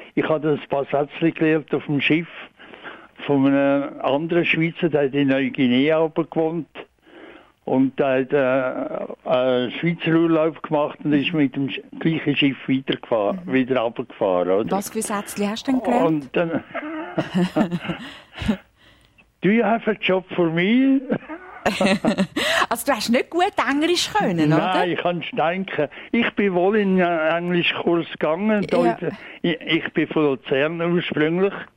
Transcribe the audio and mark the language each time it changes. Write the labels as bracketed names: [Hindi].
[German] Ich habe ein paar Sätze gelernt auf dem Schiff von einem anderen Schweizer, der hat in Neuguinea oben gewohnt. Und der hat einen Schweizer Urlaub gemacht und ist mit dem gleichen Schiff wieder runtergefahren. Oder? Was für Sätzchen hast du denn gelernt? Und dann, [English] do you have a job for me? [German] Also du hast nicht gut Englisch können, nein, oder? Nein, kannst denken. Ich bin wohl in einen Englischkurs gegangen. Ja. Ich bin von Luzern ursprünglich.